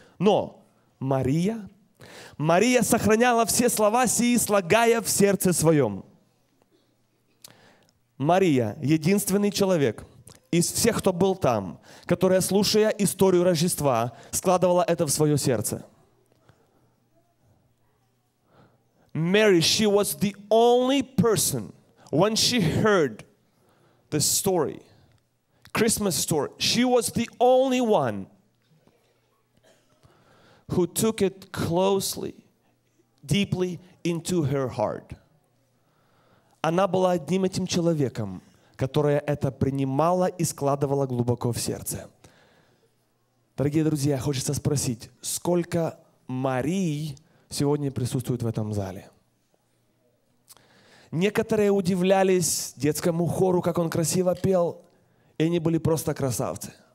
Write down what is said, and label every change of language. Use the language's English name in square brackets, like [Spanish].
[Russian] Но Мария сохраняла все слова сии, слагая в сердце своем. Мария, единственный человек из всех, кто был там, которая, слушая историю Рождества, складывала это в свое сердце. [English] Mary, she was the only person, when she heard the story, Christmas story, she was the only one who took it closely, deeply into her heart. [Russian] Она была одним этим человеком, которая это принимала и складывала глубоко в сердце. Дорогие друзья, хочется спросить, сколько Марий сегодня присутствует в этом зале? Некоторые удивлялись детскому хору, как он красиво пел, и они были просто красавцы.